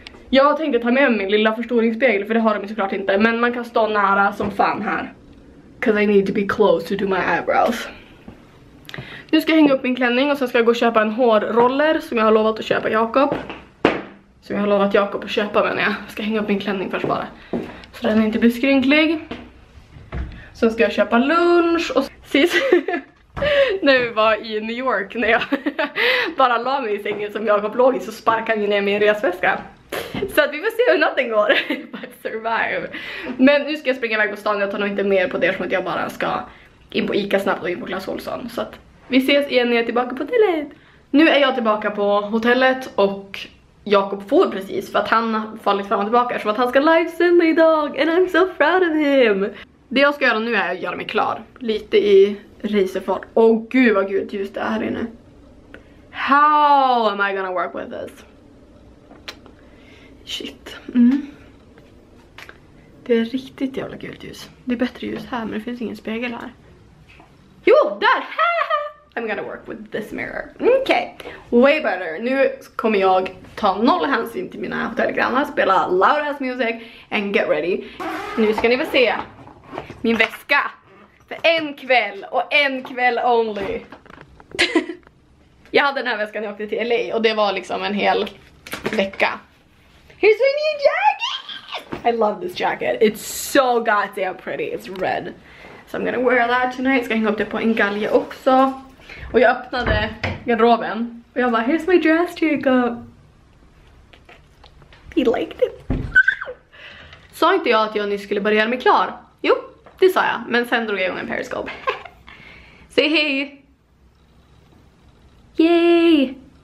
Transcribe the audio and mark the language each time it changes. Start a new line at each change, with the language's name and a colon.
Swedish: Jag tänkte ta med min lilla förstoringsspegel, för det har de såklart inte. Men man kan stå nära som fan här.
English: Cause I need to be close to do my eyebrows.
Swedish: Nu ska jag hänga upp min klänning och sen ska jag gå och köpa en hårroller som jag har lovat att köpa Jakob. Som jag har lovat Jakob att köpa, menar jag. Ska hänga upp min klänning först bara. Så den inte blir skrynklig. Sen ska jag köpa lunch och sist. När vi var i New York, när jag bara la mig i sängen som Jakob låg i, så sparkade han ner min resväska. Så att vi får se hur någonting går.
English: But survive.
Swedish: Men nu ska jag springa iväg på stan. Jag tar nog inte mer på det, som att jag bara ska in på ICA snabbt och in på Clas Ohlson. Så att vi ses igen när jag är tillbaka på hotellet. Nu är jag tillbaka på hotellet och Jakob får precis, för att han fallit fram och tillbaka. Så att han ska livesända idag.
English: And I'm so proud of him.
Swedish: Det jag ska göra nu är att göra mig klar. Lite i racerfart. Åh gud vad gud ljus det är här inne.
English: How am I gonna work with this? Shit. Mm.
Swedish: Det är riktigt jävla gult ljus. Det är bättre ljus här, men det finns ingen spegel här. Jo, där!
English: I'm gonna work with this mirror.
Swedish: Okej,
English: way better.
Swedish: Nu kommer jag ta noll hänsyn till mina hotellgrannar, spela
English: loud ass music and get ready.
Swedish: Nu ska ni få se min väska. För en kväll och en kväll only. Jag hade den här väskan när jag åkte till LA och det var liksom en hel vecka.
English: Here's my new jacket! I love this jacket. It's so goddamn pretty. It's red. So I'm gonna wear that tonight.
Swedish: Ska hänga upp det på en galge också. Och jag öppnade garderoben. Och jag bara,
English: here's my dress, Jacob. He liked it.
Swedish: Sa inte jag att jag nyss skulle börja mig klar? Jo, det sa jag. Men sen drog jag igång en periscope.
English: Say hey!
Swedish: Yay!